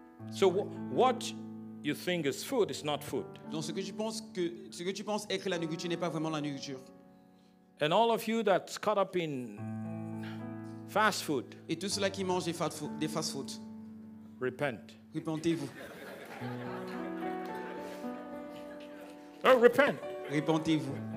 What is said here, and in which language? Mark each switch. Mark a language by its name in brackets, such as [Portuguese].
[English] So what you think is food is not food. [French] Donc ce que tu penses être la nourriture n'est pas vraiment la nourriture. [English] And all of you that's caught up in fast food. [French] Et tous ceux qui mangent des fast food. [English] Repent. [French] Repentez-vous. [English] Oh, repent. [French] Repentez-vous.